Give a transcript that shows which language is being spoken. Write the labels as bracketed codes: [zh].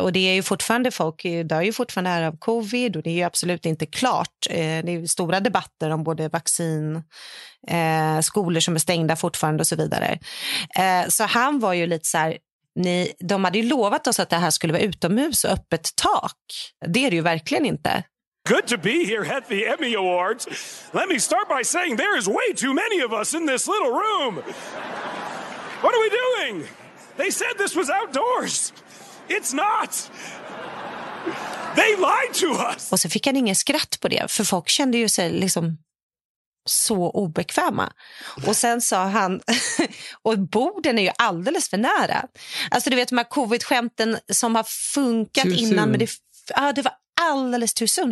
[sv] Och det är ju fortfarande folk... Det är ju fortfarande här av covid och det är ju absolut inte klart. Det är ju stora debatter om både vaccin, skolor som är stängda fortfarande och så vidare. Så han var ju lite så här... De hade ju lovat oss att det här skulle vara utomhus och öppet tak. Det är det ju verkligen inte. [en] Good to be here at the Emmy Awards. Let me start by saying there is way too many of us in this little room. What are we doing? They said this was outdoors. It's not. They lied to us. [sv] Och så fick han ingen skratt på det, för folk kände ju sig liksom så obekväma. Och sen sa han, och borden är ju alldeles för nära. Alltså du vet de här covid-skämten som har funkat innan, men det var alldeles [en] too soon.